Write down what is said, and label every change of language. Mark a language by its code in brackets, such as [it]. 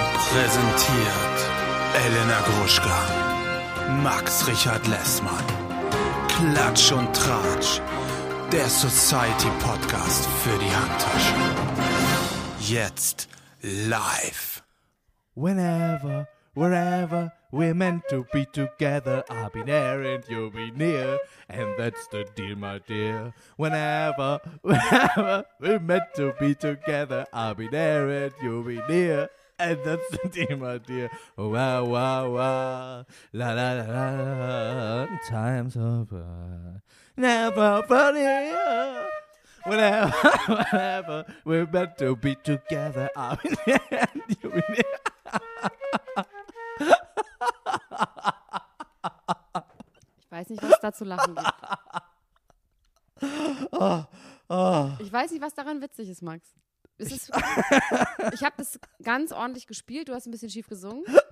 [de] präsentiert Elena Gruschka, Max Richard Lessmann, Klatsch und Tratsch, der Society Podcast für die Handtasche. Jetzt live. [en] Whenever, wherever we're meant to be together, I'll be there and you'll be near, and that's the deal, my dear. Whenever, wherever we're meant to be together, I'll be there and you'll be near, and that's the deal, my dear. Wow, wow, wow, la, la, la, la, time's over. Never funny. Whenever we're meant to be together, I'll be there and you'll be near. [de] Ich weiß nicht, was es da zu lachen gibt. Ich weiß nicht, was daran witzig ist, Max. Ich habe das ganz ordentlich gespielt, du hast ein bisschen schief gesungen.